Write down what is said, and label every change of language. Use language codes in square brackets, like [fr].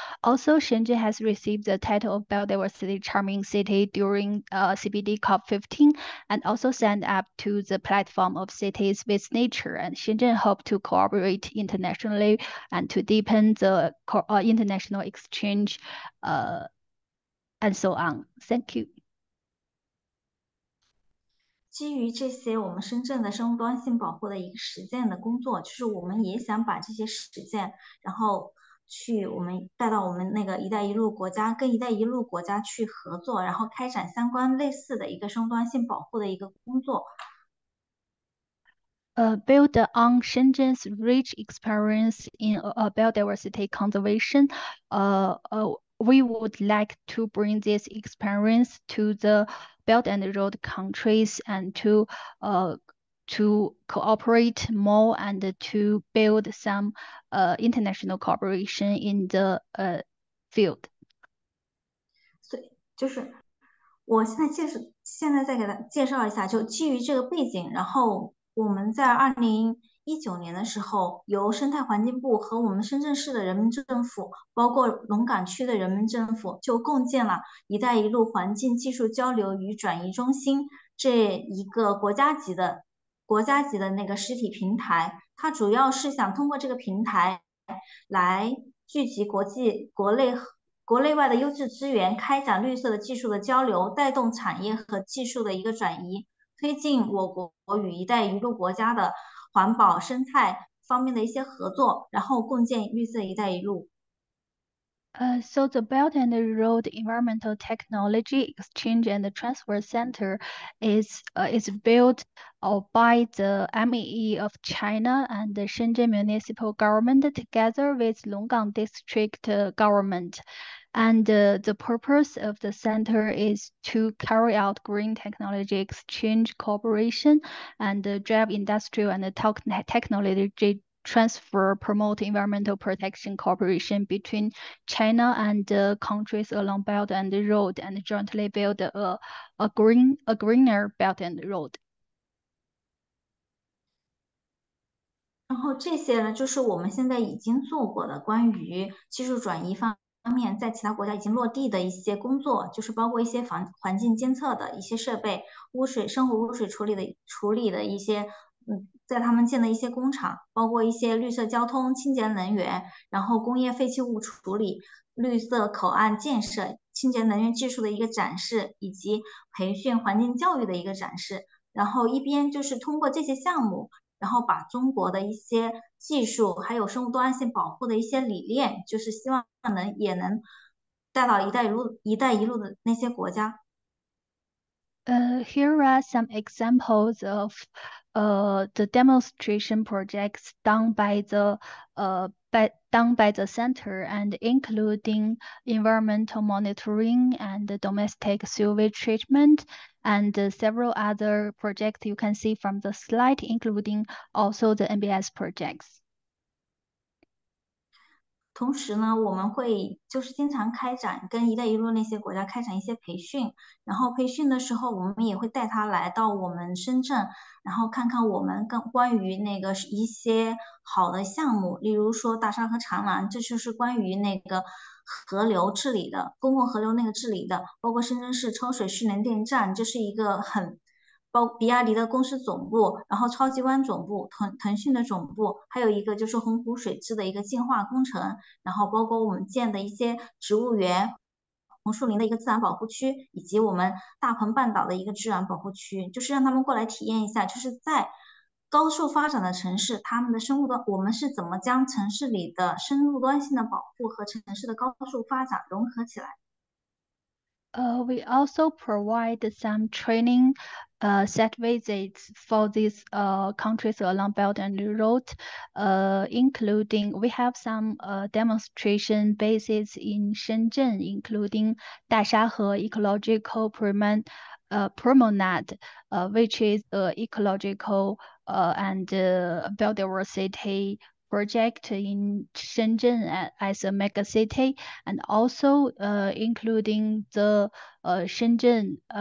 [en] Also, Shenzhen has received the title of Biodiversity Charming City during CBD COP15 and also signed up to the platform of cities with nature, and Shenzhen hope to cooperate internationally and to deepen the international exchange and so on. Thank you. [zh] 基于这些我们深圳的生物多样性保护的一个实践的工作，就是我们也想把这些实践然后去我们带到我们那个一带一路国家，跟一带一路国家去合作，然后开展相关类似的一个生物多样性保护的一个工作。 [en] Build on Shenzhen's rich experience in biodiversity conservation, we would like to bring this experience to the Belt and Road countries and to cooperate more and to build some international cooperation in the field. [zh] 我现在介绍一下，就基于这个背景，然后我们在2019年的时候，由生态环境部和我们深圳市的人民政府，包括龙岗区的人民政府，就共建了“一带一路”环境技术交流与转移中心这一个国家级的那个实体平台。它主要是想通过这个平台来聚集国内外的优质资源，开展绿色的技术的交流，带动产业和技术的一个转移，推进我国与“一带一路”国家的环保生态方面的一些合作，然后共建绿色“一带一路”。 [en] So the Belt and Road Environmental Technology Exchange and Transfer Center is built by the MEE of China and the Shenzhen Municipal Government together with Longgang District Government. And the purpose of the center is to carry out green technology exchange cooperation and drive industrial and technology transfer, promote environmental protection cooperation between China and the countries along Belt and Road, and jointly build a greener Belt and Road. [zh] 然后这些呢，就是我们现在已经做过的关于技术转移方面在其他国家已经落地的一些工作，就是包括一些环境监测的一些设备，污水生活污水处理的一些在他们建的一些工厂，包括一些绿色交通、清洁能源，然后工业废弃物处理、绿色口岸建设、清洁能源技术的一个展示，以及培训环境教育的一个展示。然后一边就是通过这些项目，然后把中国的一些技术，还有生物多样性保护的一些理念，就是希望能也能带到一带一路的那些国家。 [en] Here are some examples of the demonstration projects done by the center, and including environmental monitoring and domestic sewage treatment, and several other projects you can see from the slide, including also the MBS projects. [zh] 同时呢，我们会就是经常开展跟“一带一路”那些国家开展一些培训，然后培训的时候，我们也会带他来到我们深圳，然后看看我们更关于那个一些好的项目，例如说大沙河长廊，这就是关于那个河流治理的，公共河流那个治理的，包括深圳市抽水蓄能电站，这是一个很。包比亚迪的公司总部，然后超级碗总部、腾讯的总部，还有一个就是洪湖水质的一个净化工程，然后包括我们建的一些植物园、红树林的一个自然保护区，以及我们大鹏半岛的一个自然保护区，就是让他们过来体验一下，就是在高速发展的城市，他们的生物多，我们是怎么将城市里的生物多样性的保护和城市的高速发展融合起来。 [en] We also provide some training site visits for these countries along Belt and Road, including we have some demonstration bases in Shenzhen, including Dashahe Ecological Promenade, which is an ecological and biodiversity project in Shenzhen as a mega city, and also including the Shenzhen